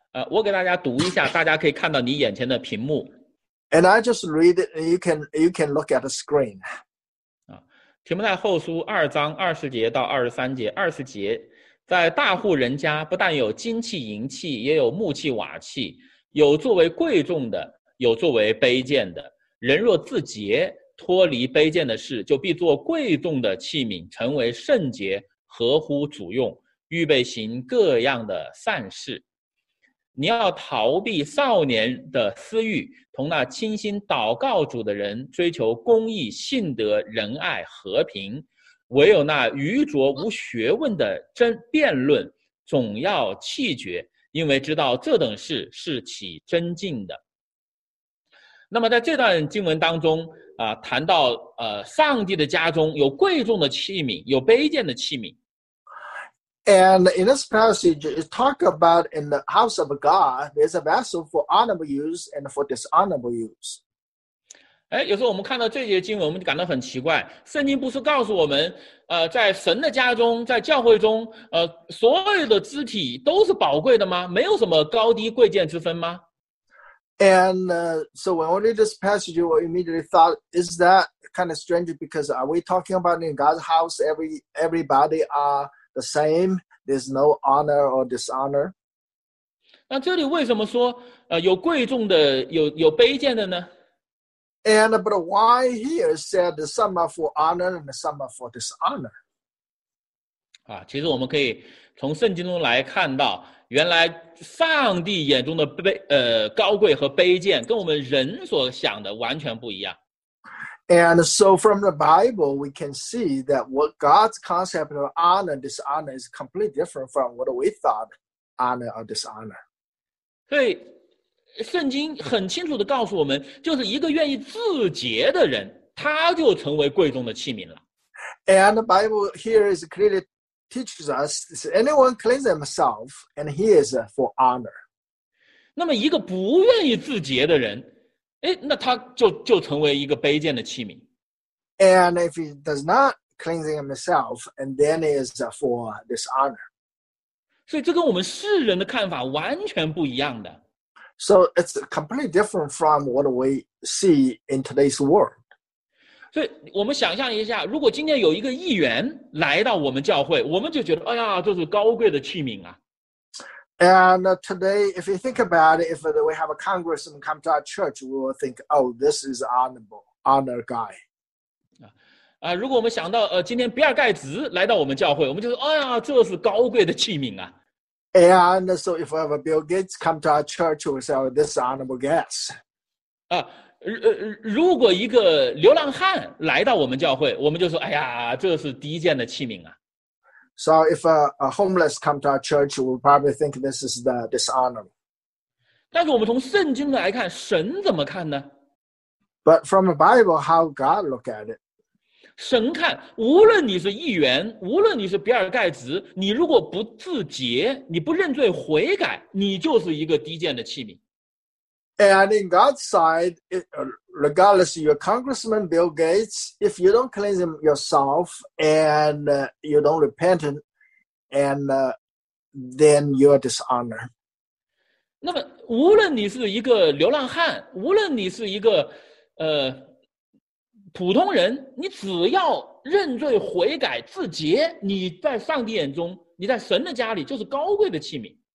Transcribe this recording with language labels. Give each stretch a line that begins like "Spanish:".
Chinese: 我给大家读一下，大家可以看到你眼前的屏幕。
English: And I just read it, and you can look at the screen.
Chinese: 提摩太后书二章二十节到二十三节，二十节，在大户人家不但有金器银器，也有木器瓦器，有作为贵重的，有作为卑贱的。人若自洁，脱离卑贱的事，就必做贵重的器皿，成为圣洁，合乎主用，预备行各样的善事。你要逃避少年的私欲，同那倾心祷告主的人追求公义、信德、仁爱、和平。唯有那愚拙无学问的真辩论总要弃绝，因为知道这等事是起真进的。那么在这段经文当中啊，谈到上帝的家中有贵重的器皿，有卑贱的器皿。
English: And in this passage, it talks about in the house of God, there's a vessel for honorable use and for dishonorable use.
Chinese: 哎，有时候我们看到这些经文，我们就感到很奇怪。圣经不是告诉我们，在神的家中，在教会中，所有的肢体都是宝贵的吗？没有什么高低贵贱之分吗？
English: And so when we read this passage, we immediately thought, is that kind of strange? Because are we talking about in God's house, everybody are the same, there's no honor or dishonor.
Chinese: 那这里为什么说有贵重的 有卑贱的呢？
English: And but why here said some are for honor and some are for dishonor?
Chinese: 啊，其实我们可以从圣经中来看到，原来上帝眼中的高贵和卑贱跟我们人所想的完全不一样。
English: And so from the Bible, we can see that what God's concept of honor and dishonor is completely different from what we thought honor or dishonor.
Chinese: 对，圣经很清楚地告诉我们，就是一个愿意自洁的人，他就成为贵重的器皿了。
English: And the Bible here is clearly teaches us, anyone cleanses himself, and he is for honor.
Chinese: 那么一个不愿意自洁的人，那他 就成为一个卑贱的器皿。
English: And if he does not cleanse himself, and then he is for dishonor.
Chinese: 所以这跟我们世人的看法完全不一样的。
English: So it's completely different from what we see in today's world.
Chinese: 所以我们想象一下，如果今天有一个议员来到我们教会，我们就觉得，哎呀，这是高贵的器皿啊。
English: And today, if you think about it, if we have a congressman come to our church, we will think, oh, this is honorable, honor guy.
Chinese: 如果我们想到今天比尔盖茨来到我们教会，我们就说，哎呀，这是高贵的器皿啊。
English: And so if we have a Bill Gates come to our church, we will say, oh, this is honorable guest.
Chinese: 如果一个流浪汉来到我们教会，我们就说，哎呀，这是低贱的器皿啊。
English: So if a homeless come to our church, we'll probably think this is the dishonor.
Chinese: 但是我们从圣经来看，神怎么看呢？
English: But from the Bible, how God look at it?
Chinese: 神看，无论你是议员，无论你是比尔盖茨，你如果不自洁，你不认罪悔改，你就是一个低贱的器皿。
English: And in God's side, regardless of your congressman, Bill Gates, if you don't cleanse him yourself and you don't repent, and then you're dishonored.
Chinese: 那么无论你是一个流浪汉，无论你是一个普通人，你只要认罪悔改自洁，你在上帝眼中，你在神的家里就是高贵的器皿。